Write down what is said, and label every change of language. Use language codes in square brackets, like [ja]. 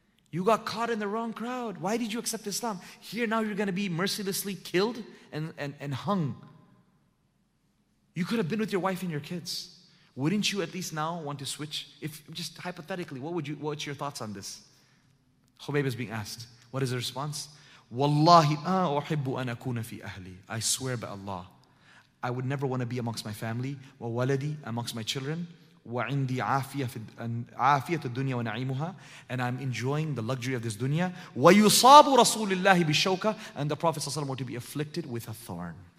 [en] You got caught in the wrong crowd. Why did you accept Islam? Here now you're going to be mercilessly killed and hung. You could have been with your wife and your kids. Wouldn't you at least now want to switch? If just hypothetically, what's your thoughts on this? Khubayb is being asked. What is the response? [ar] Wallahi, أحب أن أكون في أهلي. [en] I swear by Allah, I would never want to be amongst my family, [ar] wa waladi, [en] amongst my children, [ar] wa indi afiyat ad-dunya wa na'imuha, [en] and I'm enjoying the luxury of this dunya, [ar] wa yusabu rasulillahi bishawka, [en] and the Prophet sallallahu alaihi wasallam to be afflicted with a thorn.